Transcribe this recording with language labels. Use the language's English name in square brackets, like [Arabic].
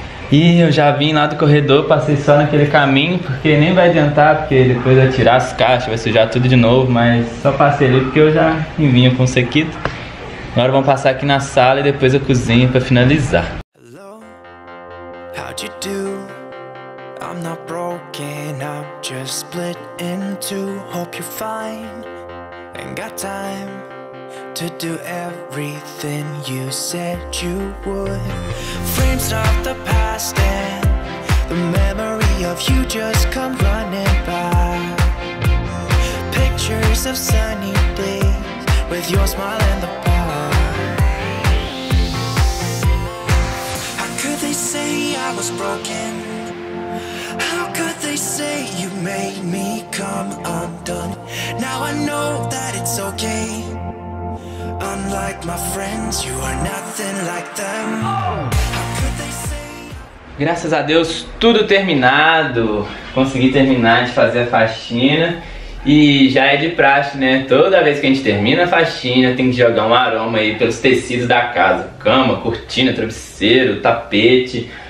[Portuguese] E eu já vim lá do corredor, passei só naquele caminho, porque nem vai adiantar, porque depois vai tirar as caixas, vai sujar tudo de novo, mas só passei ali porque eu já vinha com o sequito. Agora vamos passar aqui na sala e depois eu cozinho pra finalizar. [English] Hello, how'd you do? I'm not broken, I'm just split in two. Hope you're fine. Ain't got time to do everything you said you would. Frames of the past and the memory of you just come running by. Pictures of sunny days with your smile in the park. How could they say I was broken? How could they say you made me come undone? Now I know that it's okay. Unlike my friends, you are nothing like them. [Portuguese] Graças a Deus, tudo terminado. Consegui terminar de fazer a faxina. E já é de praxe, né? Toda vez que a gente termina a faxina, tem que jogar um aroma aí pelos tecidos da casa: cama, cortina, travesseiro, tapete.